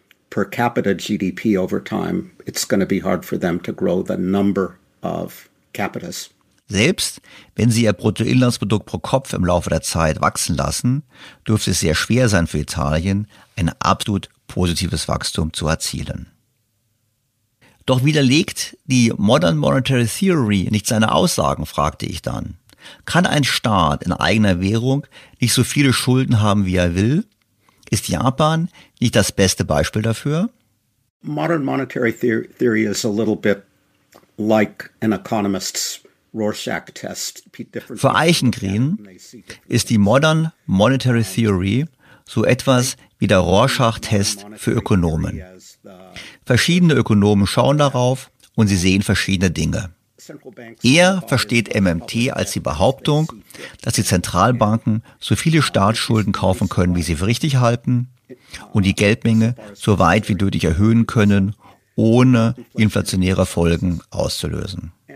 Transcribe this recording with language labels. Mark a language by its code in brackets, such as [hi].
[en] Per capita GDP over time, it's going to be hard for them to grow the number of capitas. [de] Selbst wenn sie ihr Bruttoinlandsprodukt pro Kopf im Laufe der Zeit wachsen lassen, dürfte es sehr schwer sein für Italien, ein absolut positives Wachstum zu erzielen. Doch widerlegt die Modern Monetary Theory nicht seine Aussagen, fragte ich dann. Kann ein Staat in eigener Währung nicht so viele Schulden haben, wie er will? Ist Japan nicht das beste Beispiel dafür? [en] Modern Monetary Theory is a little bit like an economist's Rorschach-Test. [de] Für Eichengreen ist die Modern Monetary Theory so etwas wie der Rorschach-Test für Ökonomen. Verschiedene Ökonomen schauen darauf und sie sehen verschiedene Dinge. Er versteht MMT als die Behauptung, dass die Zentralbanken so viele Staatsschulden kaufen können, wie sie für richtig halten, und die Geldmenge so weit wie nötig erhöhen können, ohne inflationäre Folgen auszulösen.